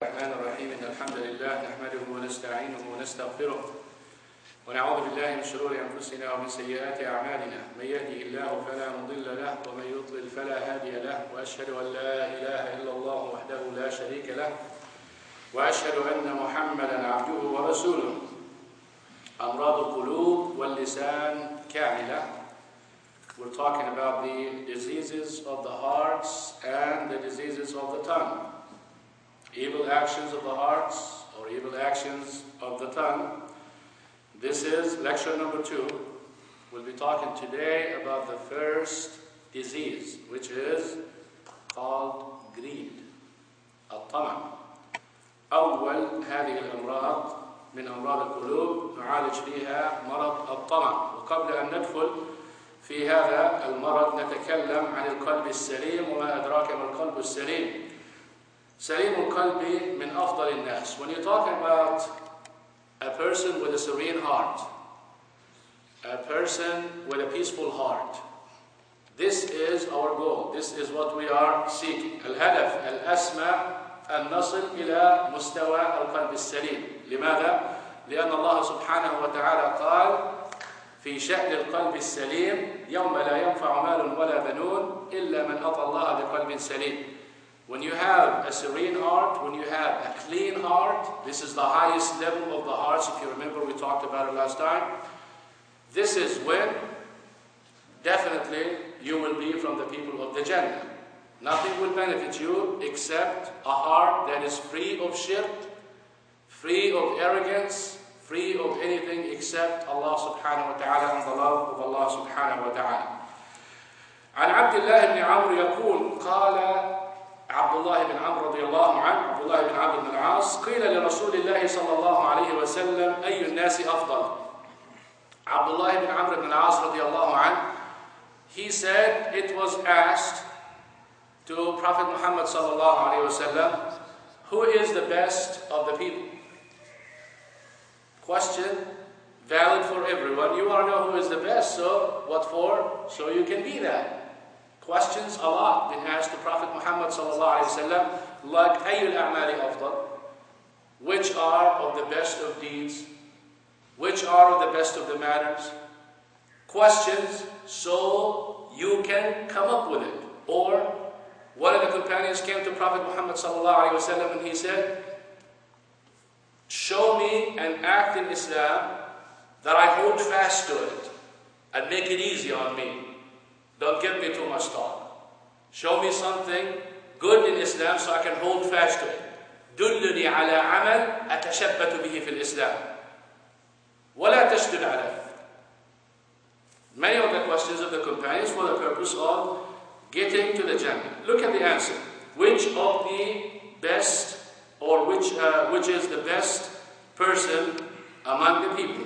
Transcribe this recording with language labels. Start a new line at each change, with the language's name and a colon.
Arabic: الله نحمده ونستعينه ونستغفره ونعوذ بالله من شرور أنفسنا ومن سيئات أعمالنا، من يهدي الله فلا مضل له ومن يضلل فلا هادي له، وأشهد أن لا إله إلا الله وحده لا شريك له، وأشهد أن محمدا عبده ورسوله. أمراض القلوب واللسان كاملة.
English: We're talking about the diseases of the hearts and the diseases of the tongue. Evil actions of the hearts or evil actions of the tongue. This is lecture number two. We'll be talking today about the first disease, which is called greed.
Arabic: الطمع. أول هذه الأمراض من أمراض القلوب نعالج فيها مرض الطمع. وقبل أن ندخل في هذا المرض نتكلم عن القلب السليم وما أدراك ما القلب السليم. سليم القلب من أفضل الناس.
English: When you talk about a person with a serene heart, a person with a peaceful heart, this is our goal. This is what we are seeking.
Arabic: الهدف الأسمى أن نصل إلى مستوى القلب السليم. لماذا؟ لأن الله سبحانه وتعالى قال في شأن القلب السليم: يوم لا ينفع مال ولا بنون إلا من أطى الله بقلب سليم.
English: When you have a serene heart, when you have a clean heart, this is the highest level of the hearts. If you remember, we talked about it last time. This is when definitely you will be from the people of the Jannah. Nothing will benefit you except a heart that is free of shirk, free of arrogance, free of anything except Allah subhanahu wa ta'ala and the love of Allah subhanahu wa ta'ala.
Arabic: عن عبد الله بن عمرو يقول قال عبد الله بن عمرو رضي الله عنه عبد الله بن عمرو بن العاص قيل لرسول الله صلى الله عليه وسلم أي الناس أفضل؟ عبد الله بن عمرو بن العاص رضي الله عنه
English: he said it was asked to Prophet Muhammad sallallahu alayhi wa sallam, who is the best of the people? Question valid for everyone. You want to know who is the best, so what for? So you can be that. Questions a lot been asked to Prophet Muhammad sallallahu alayhi wa sallam, like
Arabic: ayyul a'mali afdal,
English: which are of the best of deeds, which are of the best of the manners. Questions so you can come up with it. Or one of the companions came to Prophet Muhammad sallallahu alaihi wasallam and he said, show me an act in Islam that I hold fast to it and make it easy on me. Don't give me too much talk. Show me something good in Islam so I can hold fast to it.
Arabic: دلني على عمل أتشبت به في الإسلام. ولا تشدد عليه.
English: Many of the questions of the companions for the purpose of getting to the Jannah. Look at the answer. Which of the best, or which is the best person among the people?